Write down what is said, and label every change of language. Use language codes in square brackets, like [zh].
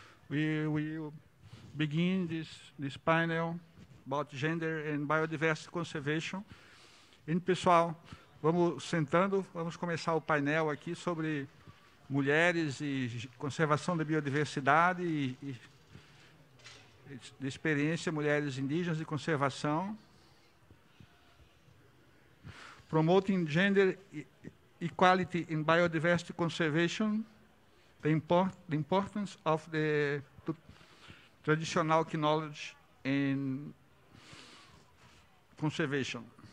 [en] We will begin this panel about gender and biodiversity conservation. [pt] E, pessoal, vamos sentando, vamos começar o painel aqui sobre mulheres e conservação da biodiversidade e experiência mulheres indígenas e conservação. [en] Promoting gender equality in biodiversity conservation, the importance of the traditional knowledge in conservation.